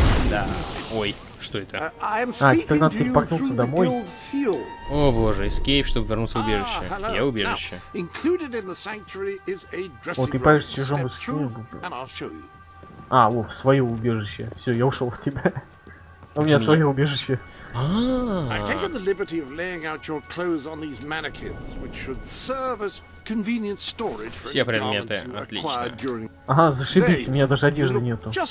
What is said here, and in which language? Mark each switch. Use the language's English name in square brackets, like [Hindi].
[Russian] Да. Ой, что это? А, теперь надо телепортнуться домой. О боже, эскейп, чтобы вернуться в убежище. Я в убежище. О, ты паришь в чужом эскейпе. А, о, в свое убежище. Все, я ушел в тебя. У меня свое убежище. [English] I've taken the liberty of laying out your clothes on these mannequins, which should serve as convenient storage for your garments you acquired during. [Russian] Ага, зашибись, у меня даже одежды нету.